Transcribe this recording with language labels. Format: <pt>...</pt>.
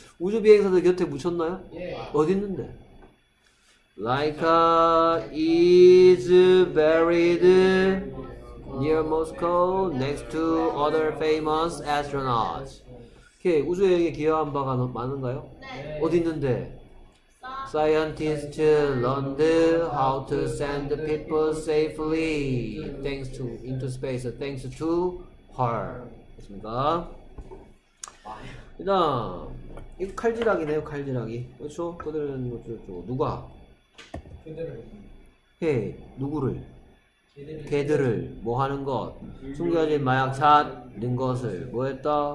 <ko>우주비행사들 곁에 묻혔나요? 예. 어딨는데?</ko> <en>Laika is buried near Moscow next to other famous astronauts.</en> <ko>오케이, 우주여행에 기여한 바가 많은가요? 네. 어디 있는데?</ko> <en>Scientists learned how to send people safely thanks to into space thanks to her.</en> <ko>됐습니까? 그다음 이거 칼질하기네요, 칼질하기. 그렇죠? 그들은 어쩌죠? 누가? 걔들을. 예, 누구를? 걔들을. 뭐 하는 것? 숨겨진 마약 찾는 것을. 뭐 했다?</ko>